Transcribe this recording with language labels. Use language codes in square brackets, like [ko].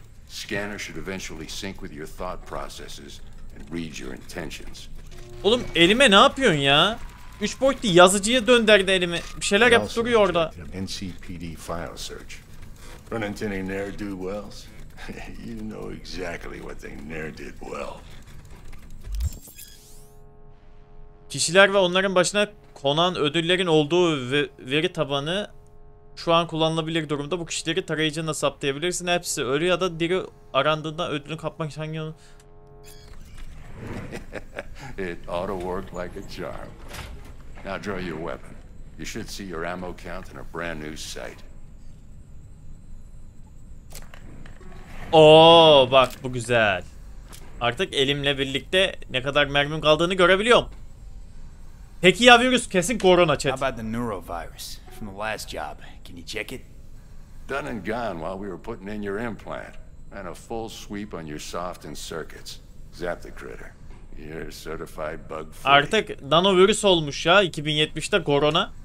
[en] Scanner should eventually sync with your thought processes and read your intentions. [tr] Oğlum elime ne yapıyorsun ya? 3 boyutlu yazıcıya döndürdü elimi. Bir şeyler yapıp duruyor orada. [en] NCPD file search. Run into any ne'er-do-wells? You know exactly what they ne'er did well. [tr] Kişiler ve onların başına konan ödüllerin olduğu veri tabanı şu an kullanılabilir durumda. Bu kişileri tarayıcına saptayabilirsin. Hepsi ölü ya da diri arandığında ödülü kapmak için hangi [en] It ought to work like a charm. Now draw your weapon. You should see your ammo count in a brand new sight. [tr] Oo bak bu güzel. Artık elimle birlikte ne kadar mermim kaldığını görebiliyorum. Peki ya virüs kesin korona chat. [en] How about the neurovirus from the last job? Can you check it? Done and gone while we were putting in your implant. And a full sweep on your softened circuits. Zap the critter. You're certified bug free. [tr] Artık nano virüs olmuş ya 2070'te korona.